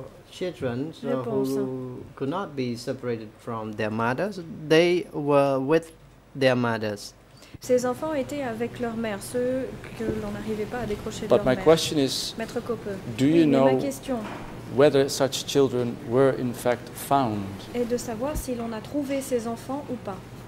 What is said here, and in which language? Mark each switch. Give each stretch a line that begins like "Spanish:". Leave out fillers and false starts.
English: Children who could not be separated from their mothers, they were with their mothers.
French: Ces enfants étaient avec leur mère, ceux que l'on n'arrivait pas à décrocher
English: but
French: de leur mère.
English: Is, Maître Coppe, do you know whether such children were in fact found?
French: Et de savoir si l'on a trouvé ces enfants ou pas.